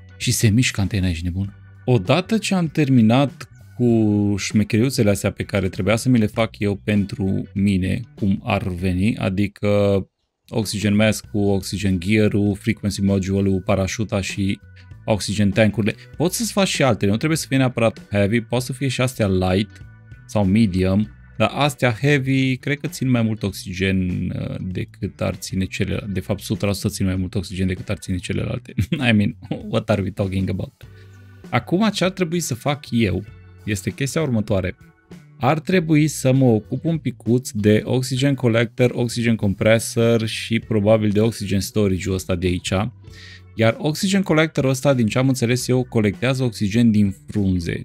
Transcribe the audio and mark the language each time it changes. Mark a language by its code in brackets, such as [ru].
[ro] Și se mișcă antena, ești nebun? Odată ce am terminat cu șmecheriuțele astea pe care trebuia să mi le fac eu pentru mine, cum ar veni, adică oxygen mask-ul, oxygen gear-ul, frequency module-ul, parașuta și oxygen tank-urile, pot să-ți faci și altele, nu trebuie să fie neapărat heavy, poate să fie și astea light sau medium, dar astea heavy cred că țin mai mult oxigen decât ar ține celelalte. De fapt, 100% țin mai mult oxigen decât ar ține celelalte. [en] I mean, what are we talking about? [ro] Acum, ce ar trebui să fac eu este chestia următoare. Ar trebui să mă ocup un picuț de oxygen collector, oxygen compressor și probabil de oxygen storage-ul ăsta de aici. Iar oxygen collector-ul ăsta, din ce am înțeles eu, colectează oxigen din frunze.